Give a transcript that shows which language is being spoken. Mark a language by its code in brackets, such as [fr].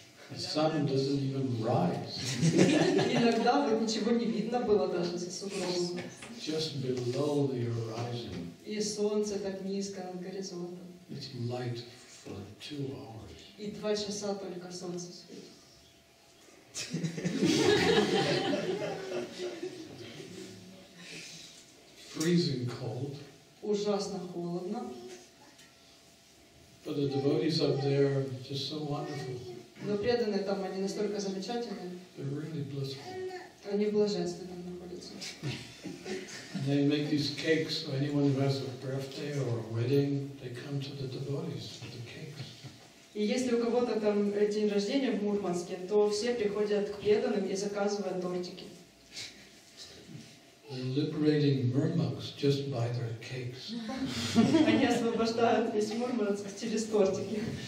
[en] The sun doesn't even rise. [ru] Иногда вот ничего не видно было даже за сугробом. [en] Just below the horizon. [ru] И солнце так низко над горизонтом. [en] It's light for 2 hours. [ru] И 2 часа только солнце светит. [en] Freezing cold. [ru] Ужасно холодно. [en] But the devotees up there are just so wonderful. [ru] Но преданные там они настолько замечательные. [en] They're really blissful. [ru] Они блаженны там находятся. [en] And they make these cakes for anyone who has a birthday or a wedding. They come to the devotees for the cakes. [ru] И если у кого-то там день рождения в Мурманске, то все приходят к преданным и заказывают тортики. [en] They're liberating Murmansk just by their cakes. [ru] Они освобождают весь Мурманск через тортики.